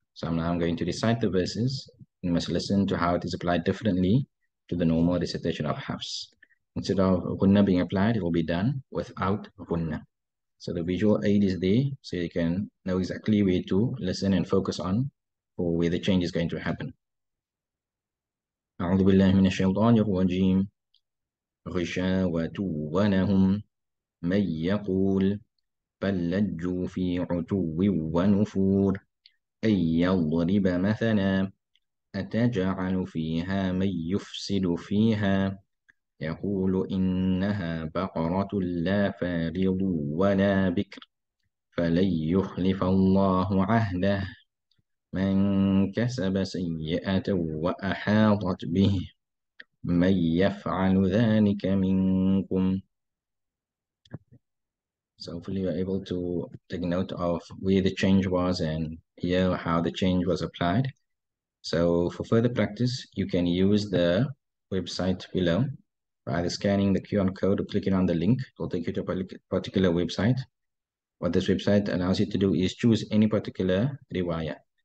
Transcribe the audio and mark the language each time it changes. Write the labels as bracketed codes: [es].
[en] So now I'm going to recite the verses. You must listen to how it is applied differently to the normal recitation of hafs. Instead of gunna being applied, it will be done without gunna. So the visual aid is there, so you can know exactly where to listen and focus on for where the change is going to happen. [ar] أعوذ بالله من الشيطان الرجيم غشاوة ولهم من يقول بل لجوا في عتو ونفور أن يضرب مثلا أتجعل فيها من يفسد فيها يقول إنها بقرة لا فارض ولا بكر فلن يخلف الله عهده من كسب سيئة وأحاطت به من يفعل ذلك منكم. [en] So hopefully you are able to take note of where the change was and hear how the change was applied. So for further practice, you can use the website below by either scanning the QR code or clicking on the link. It will take you to a particular website. What this website allows you to do is choose any particular riwayah.